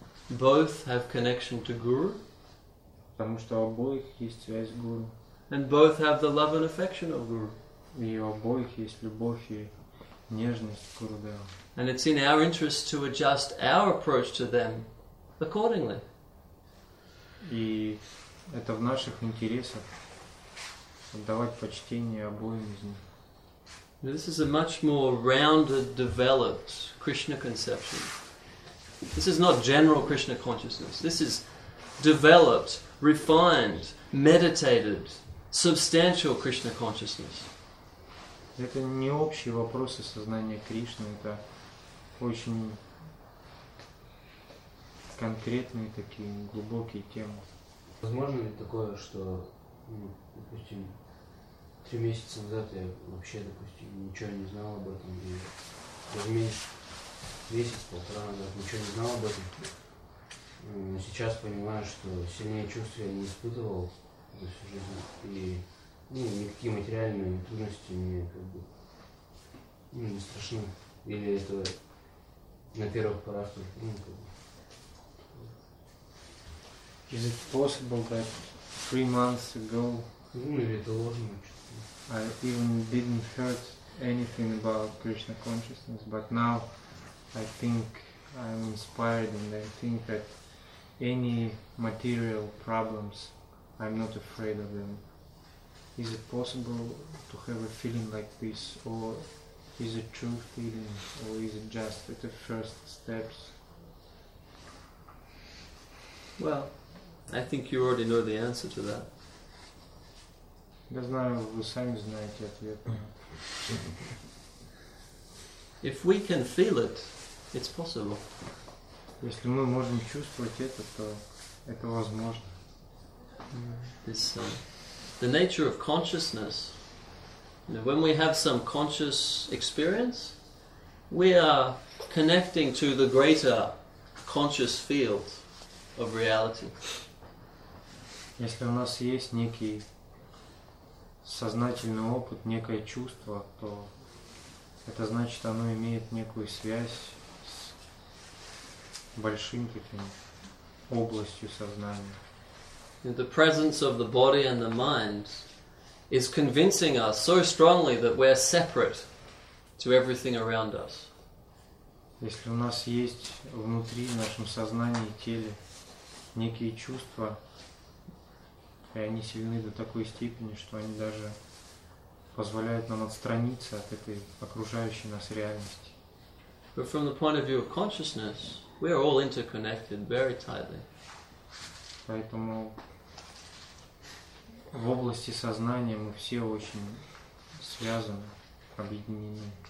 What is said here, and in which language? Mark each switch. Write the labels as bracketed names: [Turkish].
[English] Both have connection to guru. [Russian] Потому что у обоих есть связь с гуру. [English] And both have the love and affection of guru. [Russian] И у обоих есть любовь и нежность к гуру. [English] And it's in our interest to adjust our approach to them accordingly. [Russian] И это в наших интересах отдавать почтение обоим из них. [English] This is a much more rounded, developed Krishna conception. This is not general Krishna consciousness. This is developed, refined, meditated, substantial Krishna consciousness. [Russian] Это не общие вопросы сознания Кришны, это очень конкретные такие глубокие темы. Возможно ли такое, что, допустим, 3 месяца назад я вообще, допустим, ничего не знал об этом, и месяц-полтора назад ничего не знал об этом, но сейчас понимаю, что сильнее чувства я не испытывал за всю жизнь, и никакие материальные трудности мне как бы не страшны, или это на первых порах только, [English] Is it possible that 3 months ago I even didn't heard anything about Krishna consciousness, but now I think I'm inspired and I think that any material problems, I'm not afraid of them. Is it possible to have a feeling like this, or is it true feeling, or is it just at the first steps? Well, I think you already know the answer to that. [Russian] Я знаю, вы сами знаете ответ. [English] If we can feel it, it's possible. [Russian] Если мы можем чувствовать это, то это возможно. [English] The nature of consciousness, when we have some conscious experience, we are connecting to the greater conscious field of reality. [Russian] Если у нас есть некий сознательный опыт, некое чувство, то это значит, оно имеет некую связь с большим таким областью сознания. [English] The presence of the body and the mind is convincing us so strongly that we're separate to everything around us. [Russian] Если у нас есть внутри, в нашем сознании и теле, некие чувства, и они сильны до такой степени, что они даже позволяют нам отстраниться от этой окружающей нас реальности. [English] But from the point of view of consciousness, We are all interconnected very tightly. [Russian] Поэтому в области сознания мы все очень связаны, объединены.